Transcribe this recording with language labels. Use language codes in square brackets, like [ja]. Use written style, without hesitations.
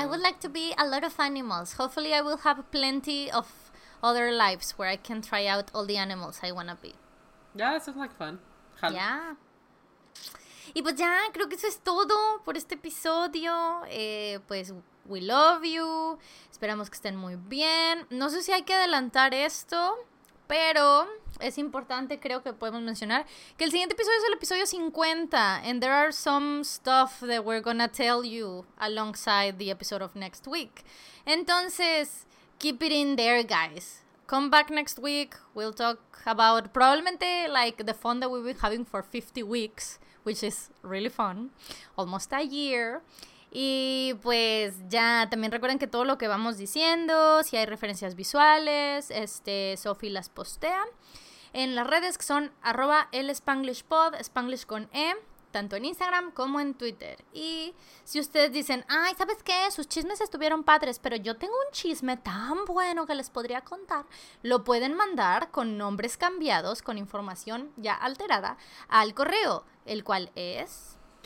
[en] I would like to be a lot of animals. Hopefully I will have plenty of other lives where I can try out all the animals I want to be. Yeah, that sounds like fun. [es] Yeah. Y pues ya, creo que eso es todo por este episodio. Pues, [en] we love you. [es] Esperamos que estén muy bien. No sé si hay que adelantar esto, pero es importante, creo que podemos mencionar que el siguiente episodio es el episodio 50. [en] And there are some stuff that we're gonna tell you alongside the episode of next week. Entonces, keep it in there, guys. Come back next week. We'll talk about probablemente like the fun that we've been having for 50 weeks, which is really fun. Almost a year. [es] Y pues ya, también recuerden que todo lo que vamos diciendo, si hay referencias visuales, Sophie las postea en las redes, que son @elspanglishpod, Spanglish con E, tanto en Instagram como en Twitter. Y si ustedes dicen, ay, ¿sabes qué? Sus chismes estuvieron padres, pero yo tengo un chisme tan bueno que les podría contar, lo pueden mandar con nombres cambiados, con información ya alterada, al correo, el cual es